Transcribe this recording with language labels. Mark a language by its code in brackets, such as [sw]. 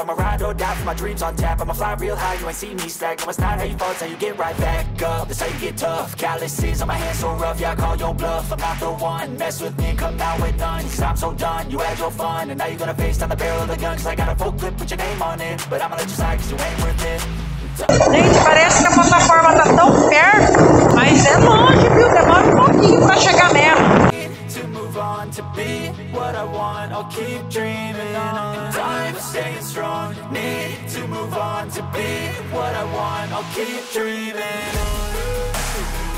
[en] I'ma ride or die for my dreams on tap. I'ma fly real high, you ain't see me slack. No, it's not how you fall, it's how you get right back up. That's how you get tough. Calluses on my hands so rough, yeah, I call your bluff. I'm not the one, mess with me, come out with none. Cause I'm so done, you had your fun. And now you're gonna face down the barrel of the gun. Cause I got a full clip, put your name on it. But I'ma let you slide, cause you ain't worth it. [pt] Gente, parece que a plataforma tá tão perto, mas é longe, viu? Demora um pouquinho pra chegar mesmo. [en] To move on, to be what I want, I'll keep dreaming on. Time staying strong, need to move on, to be what I want, I'll keep dreaming on.